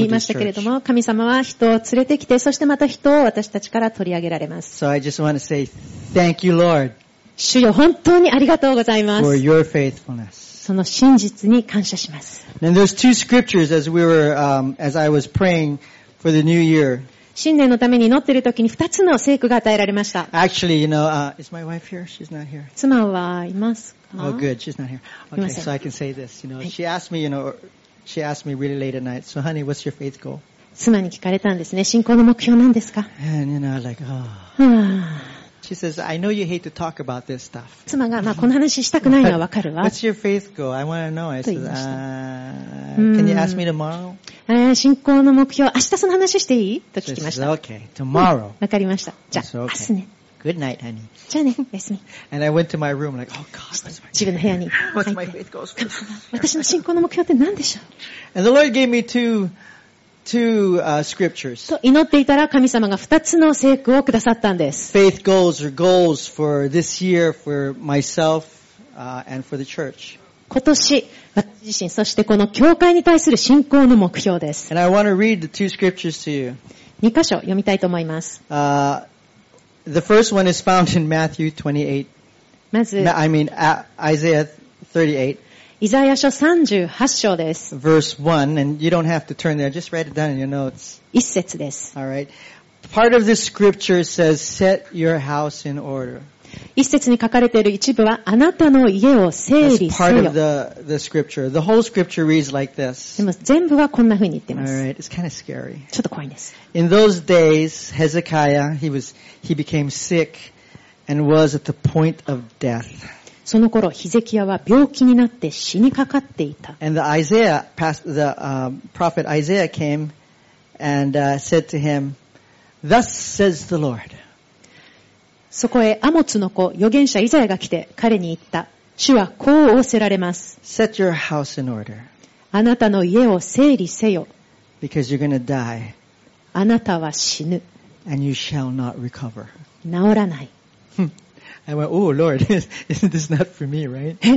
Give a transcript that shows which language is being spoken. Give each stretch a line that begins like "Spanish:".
Japanese: いましたけれども、神様は人を連れてきて、そしてまた人を私たちから取り上げられます。
English: So I just want to say thank you, Lord.
Japanese: 主よ、本当にありがとうございます。
English: For your faithfulness.
Japanese: その真実に感謝します。
English: Then there's two scriptures as we were, as I was praying for the new year.
Japanese: 新年のために祈っている時に二つの聖句が与えられました。
English: Actually, you know, is my wife here? She's not here.
Japanese: 妻はいますか?
English: Oh, good. She's not here. Okay, so I can say this. You know, she asked me, you know, she asked me really late at night. So, honey, what's your faith goal?
Japanese: 妻に聞かれたんですね。信仰の目標なんですか?
English: And you know, like, oh. She says, I know you hate to talk about this stuff.
Japanese: 妻が、まあ、この話したくないのはわかるわ。
English: What's your faith goal? I want to know. I said, can you ask me tomorrow?
Japanese: 信仰の目標、明日その話していい? と聞きました。
English: Okay, tomorrow.
Japanese: わかりました。じゃあ、明日ね。
English: Good night, honey.
Japanese: じゃあね、おやすみ。
English: And I went to my room like, oh God,
Japanese: 自分の部屋に。
English: What's my faith goal?
Japanese: 私の信仰の目標って何でしょう?
English: And the Lord gave me two scriptures.
Japanese: と祈っていたら神様が二つの聖句をくださったんです。
English: Faith goals are goals for this year for myself, and for the church.
Japanese: 今年、私自身、そしてこの教会に対する信仰の目標です。
English: And I want to read the two scriptures to you.
Japanese: 二箇所読みたいと思います。
English: The first one is found in Matthew 28.
Japanese: まず、
English: I mean, Isaiah 38.
Japanese: イザヤ書38章です。
English: Verse 1, and you don't have to turn there, just write it down in your notes.
Japanese: 一節です。
English: Alright. Part of this scripture says, set your house in order.
Japanese: 一節に書かれている一部は、あなたの家を整理せよ。
English: That's part of the scripture. The whole scripture reads like this.
Japanese: でも全部はこんな風に言ってます。
English: Alright, it's kind of scary.
Japanese: ちょっと怖いです。
English: In those days, Hezekiah, he became sick and was at the point of death.
Japanese: その頃、ヒゼキヤは病気になって死にかかっていた。
English: And the Isaiah, the prophet Isaiah came and said to him, Thus says the Lord.
Japanese: そこへアモツの子、預言者イザヤが来て彼に言った。主はこう仰せられます。
English: Set your house in order.
Japanese: あなたの家を整理せよ。
English: Because you're going to die.
Japanese: あなたは死ぬ。
English: And you shall not recover.
Japanese: 治らない。
English: I went, oh Lord, isn't this not for me, right?